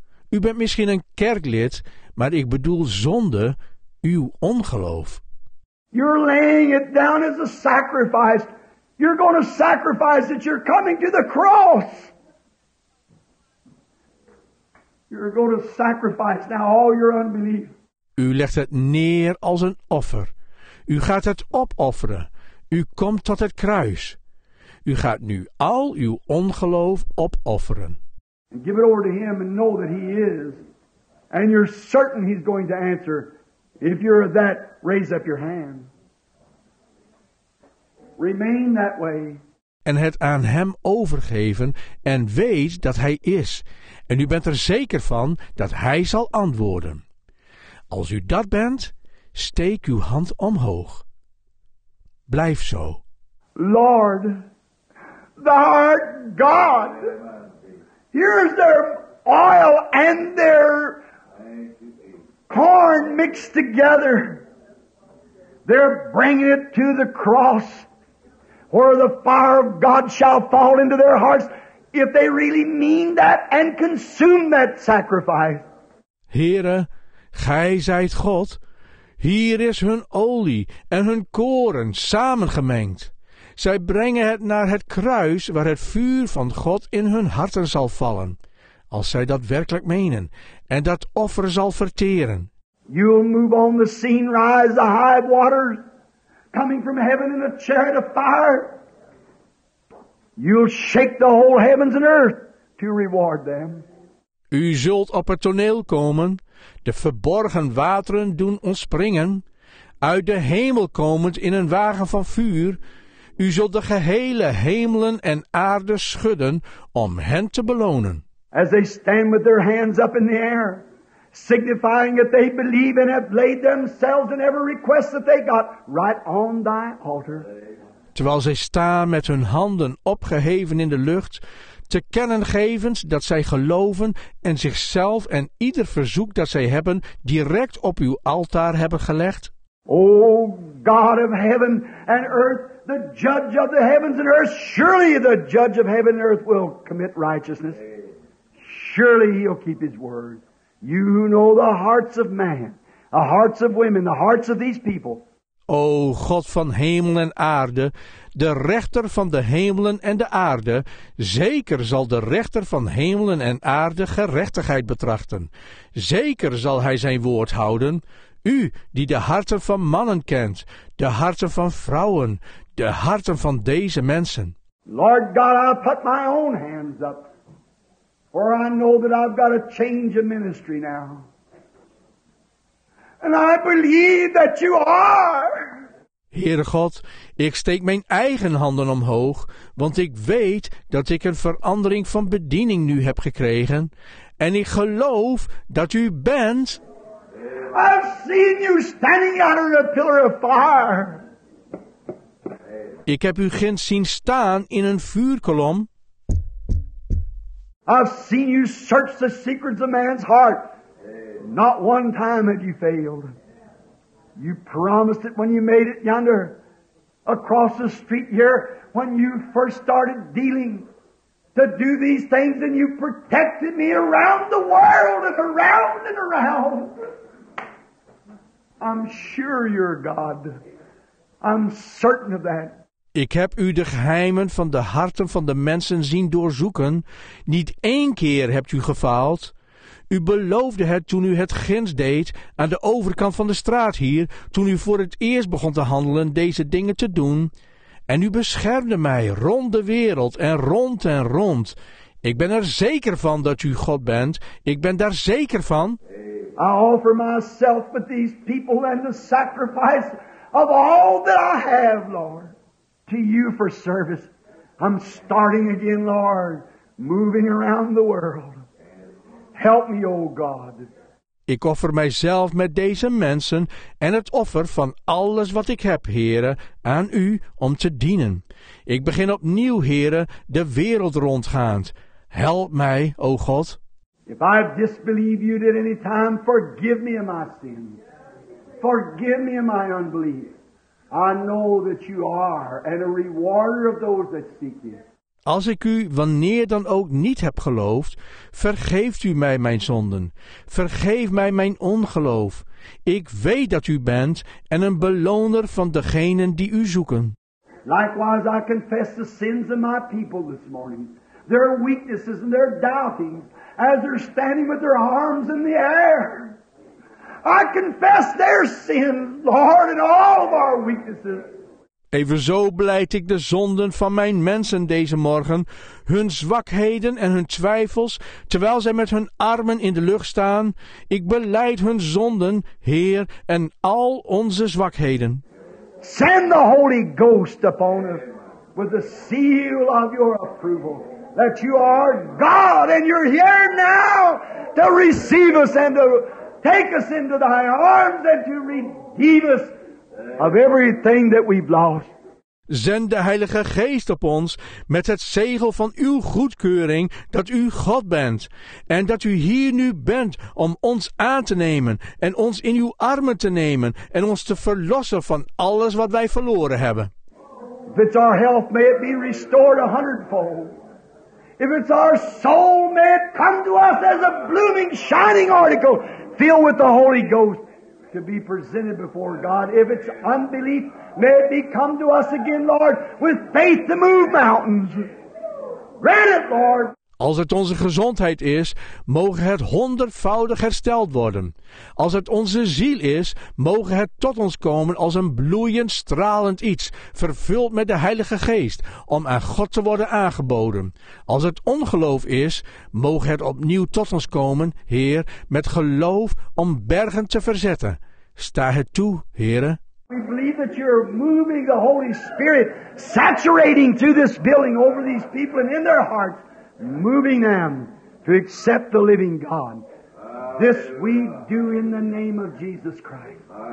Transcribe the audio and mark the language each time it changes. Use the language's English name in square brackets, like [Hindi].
[Dutch] U bent misschien een kerklid, maar ik bedoel zonde, uw ongeloof. [English] You're laying it down as a sacrifice. You're going to sacrifice it. You're coming to the cross. You're going to sacrifice now all your unbelief. [Dutch] U legt het neer als een offer. U gaat het opofferen. U komt tot het kruis. U gaat nu al uw ongeloof opofferen. [English] And give it over to Him and know that He is. And you're certain He's going to answer. If you're that, raise up your hand. Remain that way. [Dutch] En het aan Hem overgeven en weet dat Hij is. En u bent er zeker van dat Hij zal antwoorden. Als u dat bent, steek uw hand omhoog. Blijf zo. [English] Lord, Thou art God. Here's their oil and their corn mixed together. They're bringing it to the cross where the fire of God shall fall into their hearts if they really mean that and consume that sacrifice. Here. [Dutch] Gij zijt God, hier is hun olie en hun koren samengemengd. Zij brengen het naar het kruis waar het vuur van God in hun harten zal vallen, als zij dat werkelijk menen en dat offer zal verteren. [English] You'll move on the scene, rise the high waters, coming from heaven in a chariot of fire. You'll shake the whole heavens and earth to reward them. [Dutch] U zult op het toneel komen. De verborgen wateren doen ontspringen, uit de hemel komend in een wagen van vuur. U zult de gehele hemelen en aarde schudden om hen te belonen. [English] As they stand with their hands up in the air, signifying that they believe and have laid themselves in every request that they got right on thy altar. [Dutch] Terwijl zij staan met hun handen opgeheven in de lucht, te kennen gevend dat zij geloven en zichzelf en ieder verzoek dat zij hebben direct op uw altaar hebben gelegd. [English] O God of heaven and earth, the judge of the heavens and earth, surely the judge of heaven and earth will commit righteousness. Surely He'll keep His word. You who know the hearts of man, the hearts of women, the hearts of these people. [Dutch] O God van hemel en aarde, de rechter van de hemelen en de aarde, zeker zal de rechter van hemelen en aarde gerechtigheid betrachten. Zeker zal Hij zijn woord houden. U die de harten van mannen kent, de harten van vrouwen, de harten van deze mensen. [English] Lord God, I put my own hands up, for I know that I've got a change of ministry now. And I believe that you are. [Dutch] Heere God, ik steek mijn eigen handen omhoog, want ik weet dat ik een verandering van bediening nu heb gekregen. En ik geloof dat u bent. [English] Amen. I've seen you standing under a pillar of fire. [Dutch] Ik heb u ginds zien staan in een vuurkolom. [English] I've seen you search the secrets of man's heart. Not one time have you failed. You promised it when you made it yonder, across the street here, when you first started dealing to do these things, and you protected me around the world and around and around. I'm sure you're God. I'm certain of that. [Dutch] Ik heb u de geheimen van de harten van de mensen zien doorzoeken. Niet één keer hebt u gefaald. U beloofde het toen u het ginds deed, aan de overkant van de straat hier, toen u voor het eerst begon te handelen deze dingen te doen. En u beschermde mij rond de wereld en rond. Ik ben er zeker van dat u God bent. Ik ben daar zeker van. [English] I offer myself with these people and the sacrifice of all that I have, Lord. To you for service. I'm starting again, Lord. Moving around the world. Help me, O God. [Dutch] Ik offer mijzelf met deze mensen en het offer van alles wat ik heb, Heere, aan u om te dienen. Ik begin opnieuw, Heere, de wereld rondgaand. Help mij, O God. [English] If I disbelieve you at any time, forgive me of my sin. Forgive me of my unbelief. I know that you are and a rewarder of those that seek you. [Dutch] Als ik u wanneer dan ook niet heb geloofd, vergeeft u mij mijn zonden. Vergeef mij mijn ongeloof. Ik weet dat u bent en een beloner van degenen die u zoeken. [English] Likewise, I confess the sins of my people this morning, their weaknesses and their doubting, as they're standing with their arms in the air. I confess their sin, Lord, and all of our weaknesses. [Dutch] Evenzo beleid ik de zonden van mijn mensen deze morgen, hun zwakheden en hun twijfels, terwijl zij met hun armen in de lucht staan. Ik beleid hun zonden, Heer, en al onze zwakheden. [English] Send the Holy Ghost upon us with the seal of your approval, that you are God and you're here now to receive us and to take us into thy arms and to redeem us of everything that we've lost. [Dutch] Zend de Heilige Geest op ons met het zegel van uw goedkeuring dat u God bent en dat u hier nu bent om ons aan te nemen en ons in uw armen te nemen en ons te verlossen van alles wat wij verloren hebben. [English] If it's our health, may it be restored 100-fold. If it's our soul, may it come to us as a blooming, shining article filled with the Holy Ghost to be presented before God. If it's unbelief, may it be come to us again, Lord, with faith to move mountains. Grant it, Lord. [Dutch] Als het onze gezondheid is, mogen het 100-voudig hersteld worden. Als het onze ziel is, mogen het tot ons komen als een bloeiend, stralend iets, vervuld met de Heilige Geest, om aan God te worden aangeboden. Als het ongeloof is, mogen het opnieuw tot ons komen, Heer, met geloof om bergen te verzetten. Sta het toe, Heere. [English] We believe that you're moving the Holy Spirit, saturating to this building over these people and in their hearts. Moving them to accept the living God. This we do in the name of Jesus Christ.